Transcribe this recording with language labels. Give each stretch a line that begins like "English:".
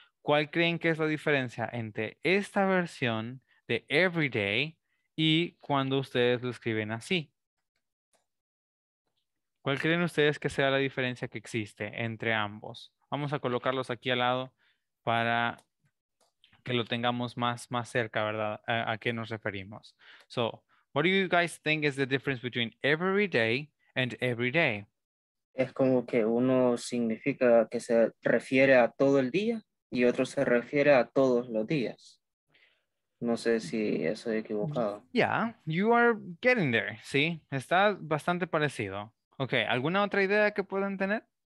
Spanish: ¿Cuál creen que es la diferencia entre esta versión de everyday y cuando ustedes lo escriben así? ¿Cuál creen ustedes que sea la diferencia que existe entre ambos? Vamos a colocarlos aquí al lado para que lo tengamos más cerca, ¿verdad? A qué nos referimos.
English: So, what do you guys think is the difference between everyday and everyday?
Spanish: Es como que uno significa que se refiere a todo el día. Y otro se refiere a todos los días. No sé si estoy equivocado.
English: Yeah, you are getting there, ¿sí?
Spanish: Está bastante parecido. Ok, ¿alguna otra idea que puedan tener?